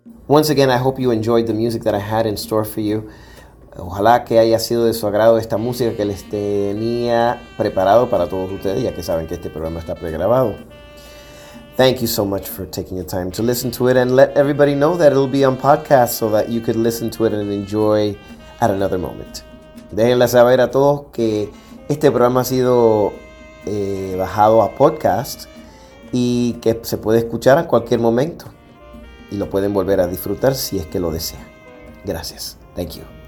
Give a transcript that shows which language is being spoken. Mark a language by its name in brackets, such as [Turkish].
[English] Once again, I hope you enjoyed the music that I had in store for you. [Spanish] Ojalá que haya sido de su agrado esta música que les tenía preparado para todos ustedes, ya que saben que este programa está pregrabado. [English] Thank you so much for taking the time to listen to it and let everybody know that it'll be on podcast so that you could listen to it and enjoy at another moment. [Spanish] Déjenle saber a todos que este programa ha sido bajado a podcast y que se puede escuchar en cualquier momento. Y lo pueden volver a disfrutar si es que lo desean. Gracias. [English] Thank you.